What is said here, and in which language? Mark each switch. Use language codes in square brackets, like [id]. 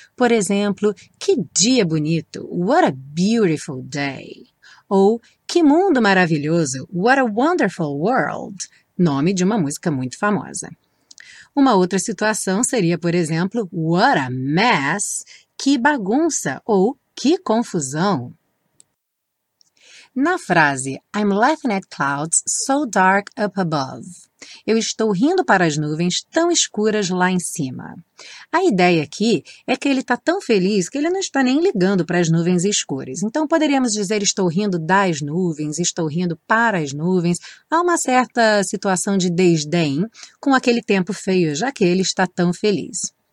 [pt] Por exemplo, que dia bonito, [en] what a beautiful day. [pt] Ou que mundo maravilhoso, [en] what a wonderful world, [pt] nome de uma música muito famosa. Uma outra situação seria, por exemplo, [en] what a mess, [pt] que bagunça ou que confusão. Na frase, [en] I'm laughing at clouds so dark up above. [pt] Eu estou rindo para as nuvens tão escuras lá em cima. A ideia aqui é que ele está tão feliz que ele não está nem ligando para as nuvens escuras. Então, poderíamos dizer estou rindo das nuvens, estou rindo para as nuvens. Há uma certa situação de desdém com aquele tempo feio, já que ele está tão feliz.